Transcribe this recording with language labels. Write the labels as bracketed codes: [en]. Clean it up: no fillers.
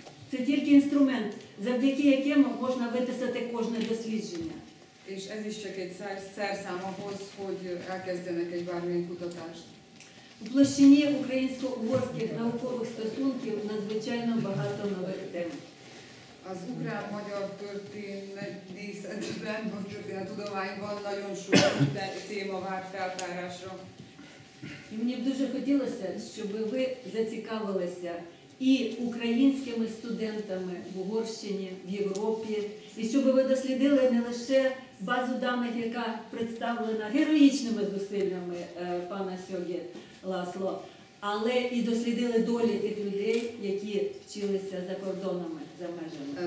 [uk] Це тільки інструмент, завдяки якому можна витисати кожне дослідження. [hu] És ez is csak egy szerszám ahhoz, hogy elkezdenek egy bármilyen kutatást. [uk] У площині українсько-угорських наукових стосунків надзвичайно багато нових тем. [hu] Az ukrán-magyar történetben, vagy történettudományban nagyon sok téma vár feltárásra. [uk] І мені б дуже хотілося, щоб ви зацікавилися і українськими студентами в Угорщині, в Європі, і щоб ви дослідили не лише базу даних, яка представлена героїчними зусиллями пана Сьогі Ласло, але і дослідили долі тих людей, які вчилися за кордонами, за межами.